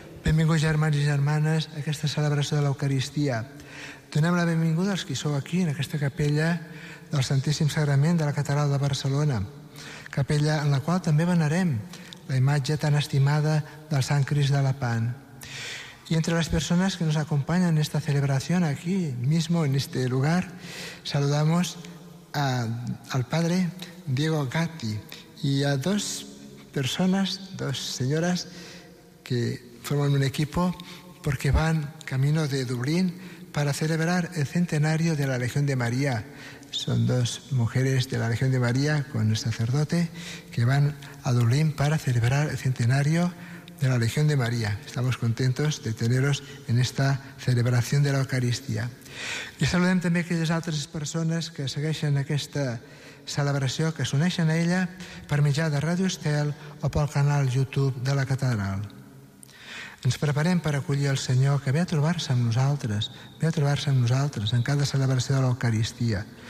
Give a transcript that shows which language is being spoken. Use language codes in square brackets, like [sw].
[ca] Benvinguts, germans i germanes, a aquesta celebració de l'Eucaristia. Donem la benvinguda als qui sou aquí, en aquesta capella del Santíssim Sagrament de la Catedral de Barcelona, capella en la qual també venerem la imatge tan estimada del Sant Crist de la Pan. I entre les persones que ens acompanyen en esta celebració [es] aquí mismo, en este lugar, saludamos al padre Diego Gatti [ca] i a dos persones, dos senyores, que formen [es] un equipo porque van camino de Dublín para celebrar el centenario de la Legión de María. Son dos mujeres de la Legión de María con el sacerdote que van a Dublín para celebrar el centenario de la Legión de María. Estamos contentos de teneros en esta celebración de la Eucaristía. [ca] I saludem també aquelles altres persones que segueixen aquesta celebració, que s'uneixen a ella per mitjà de Ràdio Estel o pel canal YouTube de la Catedral. Ens preparem per acollir el Senyor que ve a trobar-se amb nosaltres, ve a trobar-se amb nosaltres en cada celebració de l'Eucaristia.